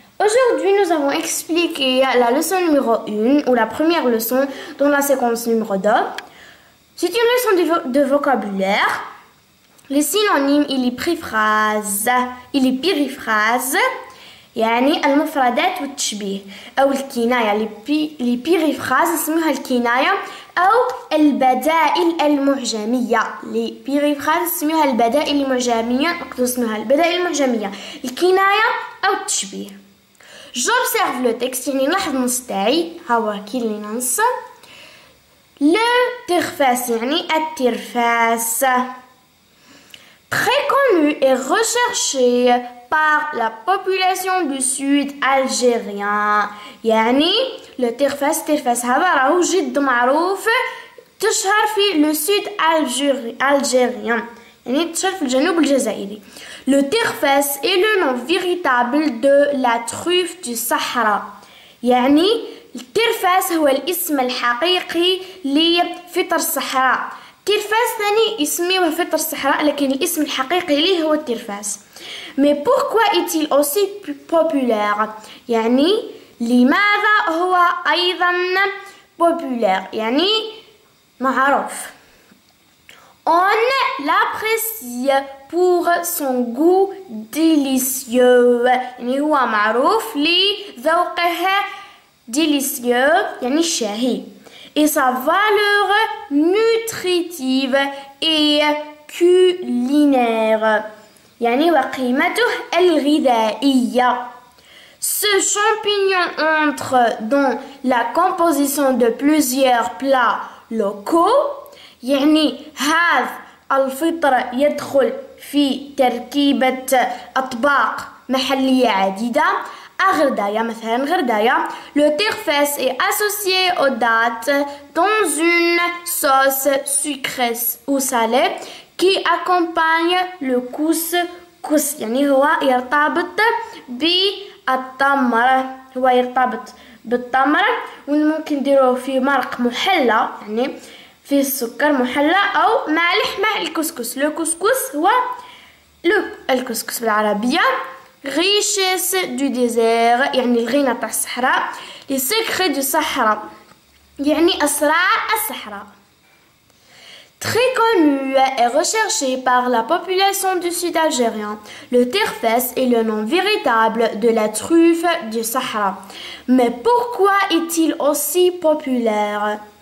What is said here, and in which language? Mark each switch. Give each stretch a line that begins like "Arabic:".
French: Aujourd'hui, nous avons expliqué la leçon numéro 1, ou la première leçon, dans la séquence numéro 2. C'est une leçon de vocabulaire. Les synonymes, il y préphrase, il y périphrase.
Arabic: يعني المفردات والتشبيه او الكنايه اللي بيريفراز اسمها الكنايه او البدائل المعجميه اللي بيريفراز اسمها البدائل المعجميه اقصد اسمها البدائل المعجميه الكنايه او التشبيه
French: جوبسيرف لو تيكست
Arabic: يعني نلاحظ النص تاعي هو كي اللي ننص لو تيرفاس يعني التيرفاس
French: très connu et recherché par la population du sud algérien.
Arabic: يعني le terfas terfas هذا جد معروف تشهر في
French: le sud algérien.
Arabic: يعني تشهر في الجنوب الجزائري.
French: Le terfas est le nom véritable de la truffe du Sahara.
Arabic: يعني الترفاس هو الاسم الحقيقي لفطر الصحراء. الترفاس ثاني اسمه فطر الصحراء لكن الاسم الحقيقي ليه هو الترفاس.
French: Mais pourquoi est-il aussi populaire?
Arabic: يعني لماذا هو ايضا populaire? يعني معروف.
French: On l'apprécie pour son goût délicieux.
Arabic: يعني هو معروف لذوقه
French: délicieux
Arabic: يعني شهي.
French: Et sa valeur nutritive et culinaire.
Arabic: يعني وقيمته الغذائية.
French: Ce champignon entre dans la composition de plusieurs plats locaux.
Arabic: يعني هذا الفطر يدخل في تركيبة أطباق محلية عديدة.
French: Agardaya,
Arabic: مثلا
French: Agardaya. Le terfès est associé aux dattes dans une sauce sucrée ou salée qui accompagne le couscous.
Arabic: يعني هو يرتبط بالتمر. هو يرتبط بالتمر وممكن نديره في مرق محلى يعني في السكر محلى أو مالح مع الكسكس. Le couscous هو الكسكس بالعربية.
French: Richesse du désert,
Arabic: يعني الغنى تاع الصحراء.
French: Les secrets du Sahara,
Arabic: يعني أسرار الصحراء.
French: Très connu et recherché par la population du sud algérien, le terfès est le nom véritable de la truffe du Sahara. Mais pourquoi est-il aussi populaire?